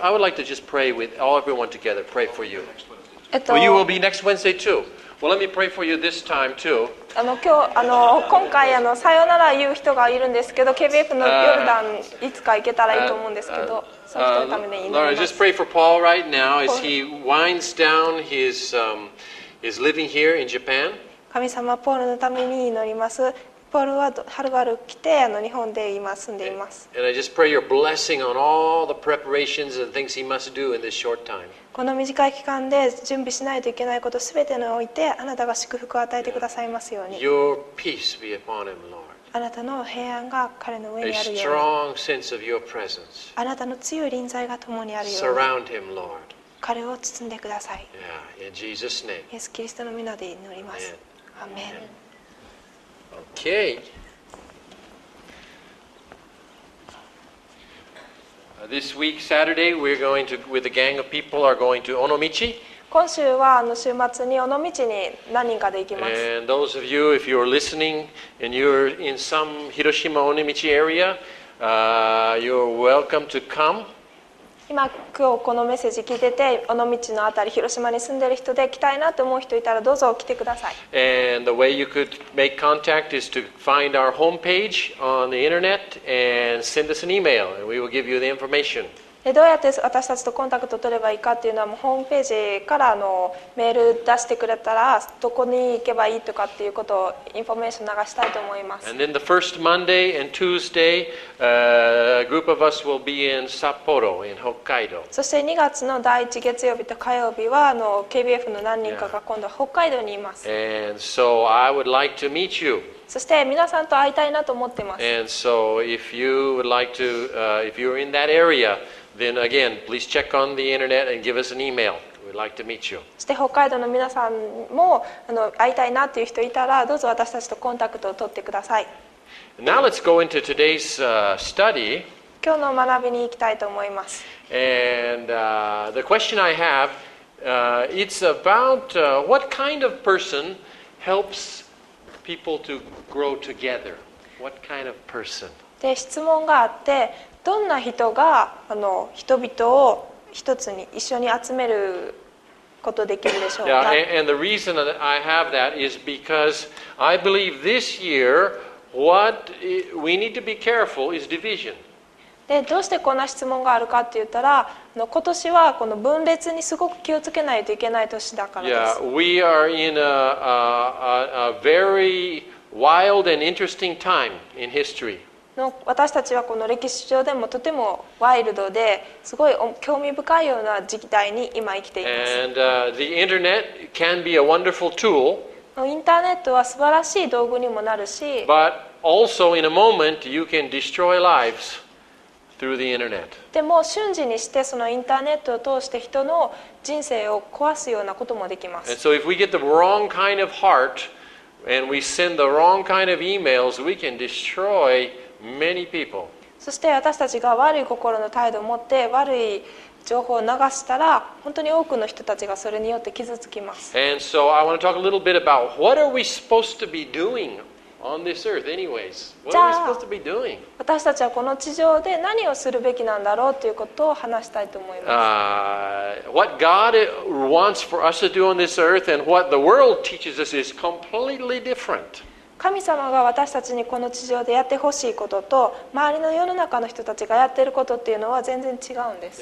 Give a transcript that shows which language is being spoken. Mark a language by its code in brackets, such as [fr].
[en] I would like to just pray with all everyone together. Pray for you. Well, you will be next Wednesday too. Well, let me pray for you this time too. [ja] 今回さよなら言う人がいるんですけど、KBF のヨルダンいつか行けたらいいと思うんですけど、その人のために祈ります。 [en] Laura, just pray for Paul right now as he winds down his living here in Japan. [ja] 神様、ポールのために祈ります。ポールははるばる来て日本で今住んでいます。 [en] And I just pray your blessing on all the preparations and things he must do in this short time. [ja] この短い期間で準備しないといけないことすべてにおいてあなたが祝福を与えてくださいますように。 [en] Your peace be upon him, Lord. [ja] あなたの平安が彼の上にあるように。 [en] A strong sense of your presence. [ja] あなたの強い臨在が共にあるように。 [en] Surround him, Lord. [ja] 彼を包んでください。 [en] Yeah, in Jesus' name. [ja] イエス・キリストの御名で祈ります。 [en] Amen. Okay. This week, Saturday, we're going to, with a gang of people, are going to Onomichi. [ja] 今週は週末に Onomichi に何人かで行きます。 [en] And those of you, if you're listening and you're in some Hiroshima Onomichi area, you're welcome to come. [ja] 今今日このメッセージ聞いてて、Onomichi のあたり、広島に住んでる人で来たいなと思う人いたらどうぞ来てください。 [en] And the way you could make contact is to find our homepage on the internet and send us an email and we will give you the information. [ja] どうやって私たちとコンタクトを取ればいいかっていうのは、ホームページからのメール出してくれたら、どこに行けばいいとかっていうことをインフォメーション流したいと思います。 [en] And then the first Monday and Tuesday, a group of us will be in Sapporo, in Hokkaido. [ja] そして2月の第1月曜日と火曜日は、KBF の何人かが今度は北海道にいます。 [en] Yeah. And so I would like to meet you. [ja] そして皆さんと会いたいなと思ってます。 [en] And so if you would like to, if you're in that area, then again, please check on the internet and give us an email. We'd like to meet you. [ja] そして北海道の皆さんも会いたいなという人いたら、どうぞ私たちとコンタクトを取ってください。 [en] Now let's go into today's study. [ja] 今日の学びに行きたいと思います。 [en] And the question I have, it's about what kind of person helps. People to grow together. What kind of person? [ja] で質問があって、どんな人が人々を一つに一緒に集めることできるでしょうか。 [en] Yeah, and the reason that I have that is because I believe this year what we need to be careful is division. [ja] でどうしてこんな質問があるかって言ったら、今年はこの分裂にすごく気をつけないといけない年だからです。 [en] Yeah, we are in a very wild and interesting time in history. [ja] 私たちはこの歴史上でもとてもワイルドですごい興味深いような時代に今生きています。 [en] And the internet can be a wonderful tool. [ja] インターネットは素晴らしい道具にもなるし。 [en] But also in a moment you can destroy lives. Through the internet. [ja] でも瞬時にしてそのインターネットを通して人の人生を壊すようなこともできます。 [en] And so if we get the wrong kind of heart and we send the wrong kind of emails, we can destroy many people. [ja] そして私たちが悪い心の態度を持って悪い情報を流したら本当に多くの人たちがそれによって傷つきます。 [en] And so I want to talk a little bit about what are we supposed to be doing? On this earth, anyways, what are we supposed to be doing? [ja] 私たちはこの地上で何をするべきなんだろうということを話したいと思います。 [en] What God wants for us to do on this earth and what the world teaches us is completely different. [ja] 神様が私たちにこの地上でやってほしいことと周りの世の中の人たちがやっていることっていうのは全然違うんです。